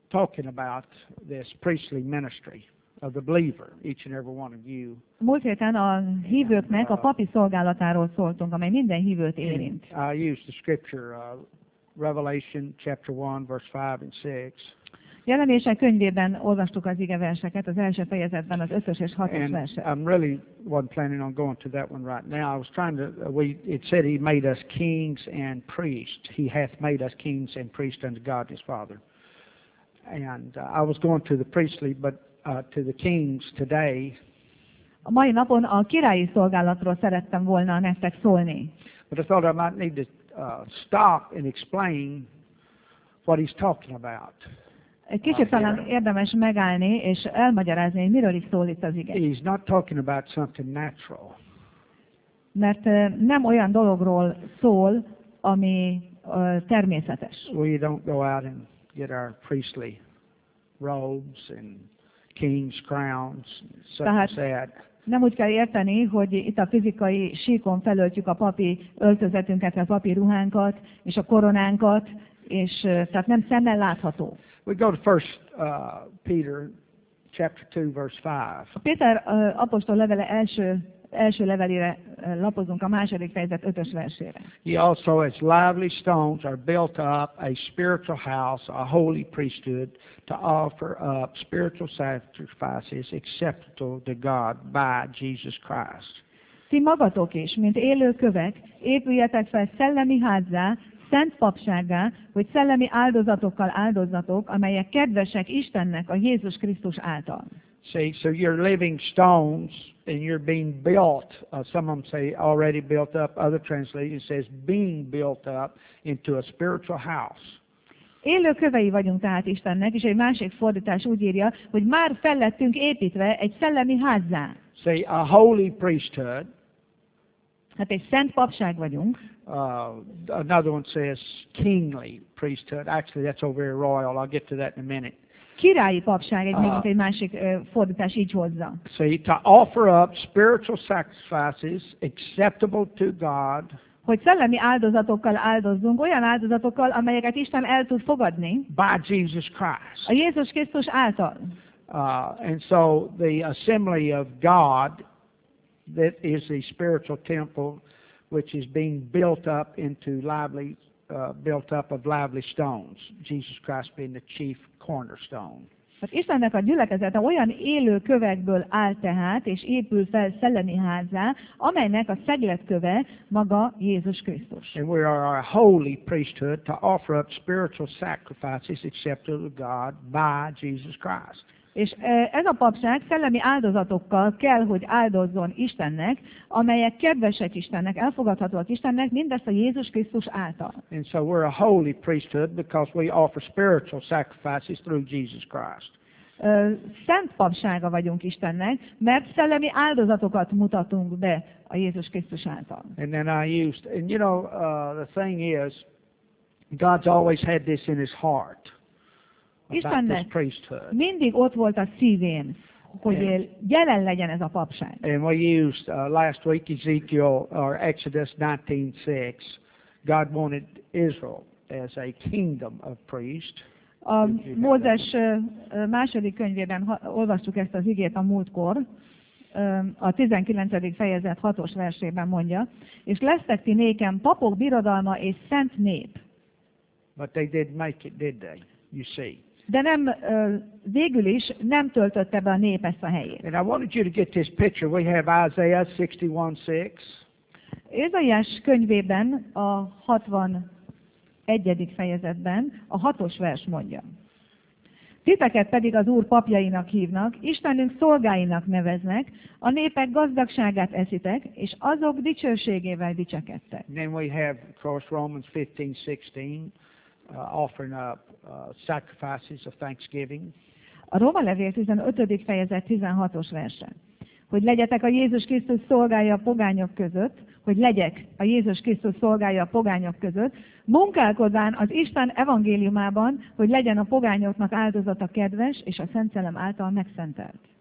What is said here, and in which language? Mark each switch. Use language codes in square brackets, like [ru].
[en] talking about this priestly ministry of the believer, each and every one of you. [hu] Múlt héten a hívőknek a papi szolgálatáról szóltunk, amely minden hívőt érint. [en] I used the scripture Revelation chapter 1 verse 5 and 6. [hu] Jelenések könyvében olvastuk az ige verseket, az első fejezetben az 5-ös és 6-os verset. [en] I'm really wasn't planning on going to that one right now. I was trying to it said he made us kings and priests. He hath made us kings and priests unto God his Father. And I was going to the priestly but to the kings today. [hu] A mai napon a királyi szolgálatról szerettem volna nektek szólni. [en] But I thought I might need to stop and explain what he's talking about. [hu] Egy kicsit talán érdemes megállni és elmagyarázni, hogy miről is szól itt az ige. [en] He's not talking about something natural. [hu] Mert nem olyan dologról szól, ami természetes. [en] We don't go out and get our priestly robes and king's crowns and such as that. [hu] Nem úgy kell érteni, hogy itt a fizikai síkon felöltjük a papi öltözetünket, a papi ruhánkat és a koronánkat, és tehát nem szemmel látható. [en] We go to 1 Peter chapter 2 verse 5. [hu] A Péter apostol levele első levelére lapozunk, a második fejezet 5-ös versére. [en] Ye also as lively stones are built up a spiritual house, a holy priesthood, to offer up spiritual sacrifices acceptable to God by Jesus Christ. [hu] Ti magatok is, mint élő kövek, épüljetek fel szellemi házzá, szent papsággá, hogy szellemi áldozatokkal áldozzatok, amelyek kedvesek Istennek a Jézus Krisztus által. [en] See, so you're living stones and you're being built, some of them say already built up, other translation says being built up into a spiritual house. [hu] Élő kövei vagyunk tehát Istennek, és egy másik fordítás úgy írja, hogy már fellettünk építve egy szellemi házzá. [en] See, a holy priesthood. [hu] Hát egy szent papság vagyunk. [en] Another one says kingly priesthood. Actually, that's all very royal. I'll get to that in a minute. [hu] Királyi papság egy másik fordítás így hozza. [en] See, to offer up spiritual sacrifices acceptable to God. [hu] Hogy szellemi áldozatokkal áldozzunk, olyan áldozatokkal, amelyeket Isten el tud fogadni. [en] By Jesus Christ. [hu] A Jézus Krisztus által. [en] And so the assembly of God that is the spiritual temple which is being built up into lively built up of lively stones, Jesus Christ being the chief cornerstone. [hu] Hát Istennek a gyülekezete olyan élő kövekből áll tehát, és épül fel szellemi házzá, amelynek a szegletköve maga Jézus Krisztus. [en] And we are a holy priesthood to offer up spiritual sacrifices acceptable to God by Jesus Christ. [hu] És ez a papság szellemi áldozatokkal kell, hogy áldozzon Istennek, amelyek kedvesek Istennek, elfogadhatóak Istennek, mindezt a Jézus Krisztus által. [en] And so we're a holy priesthood because we offer spiritual sacrifices through Jesus Christ. [hu] Szent papsága vagyunk Istennek, mert szellemi áldozatokat mutatunk be a Jézus Krisztus által. [en] And then I used, and you know, the thing is, God's always had this in his heart. [hu] Istennek mindig ott volt a szívén, hogy jelen legyen ez a papság. [en] And we used last week Ezekiel or Exodus 19:6. God wanted Israel as a kingdom of priests. [hu] A Mózes második könyvében olvastuk ezt az igét a múltkor. A 19. fejezet 6-os versében mondja, és lesztek ti nékem papok birodalma és szent nép. [en] But they didn't make it, did they? You see. [hu] De nem végül is nem töltötte be a nép ezt a helyét. [en] And I wanted you to get this picture. We have Isaiah 61:6. [hu] Ézsaiás könyvében a 61. fejezetben a 6-os vers mondja. Titeket pedig az Úr papjainak hívnak, Istenünk szolgáinak neveznek, a népek gazdagságát eszitek, és azok dicsőségével dicsekedtek. [en] And then we have of course Romans 15:16. Offering up sacrifices of thanksgiving. [hu] A Róma levél 15. fejezet 16-os verse. Hogy legyetek a Jézus Krisztus szolgája a pogányok között, hogy legyek a Jézus Krisztus szolgája a pogányok között, munkálkodván az Isten evangéliumában, hogy legyen a pogányoknak áldozata kedves és a Szent Szellem által megszentelt.